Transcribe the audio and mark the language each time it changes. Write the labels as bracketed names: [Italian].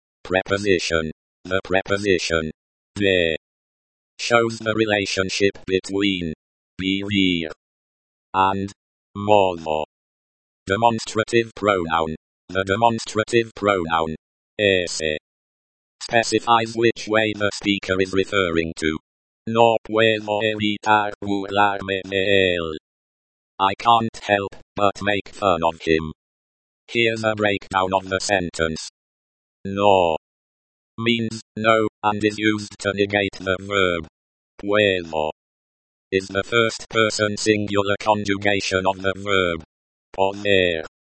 [English] Preposition, the preposition, there, shows the relationship between, here, and, modo. Demonstrative pronoun, the demonstrative pronoun, ese, specifies which way the speaker is referring to. [Spanish] No puedo evitar burlarme de él. [English] I can't help but make fun of him. Here's a breakdown of the sentence. No means no and is used to negate the verb. Puedo is the first person singular conjugation of the verb. Poner.